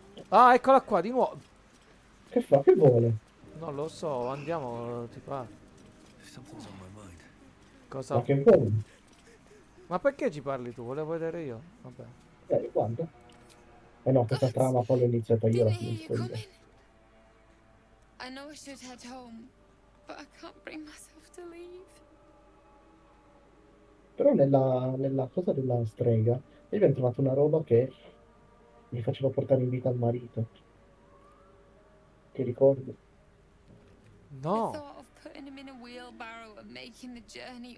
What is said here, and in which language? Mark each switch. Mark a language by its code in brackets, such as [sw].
[it] Ah, eccola qua, di nuovo. Che fa? Che vuole? Non lo so, andiamo, tipo. Cosa? Ma che vuole? Ma perché ci parli tu? Volevo vedere io? Vabbè. Quando? No, questa trama poi l'ho iniziata io la finisco. [en] I know I should head home, but I can't bring myself to leave. [it] Però nella cosa della strega, io abbiamo trovato una roba che mi faceva portare in vita il marito. Ti ricordi? No. [en] I thought of putting him in a wheelbarrow and making the journey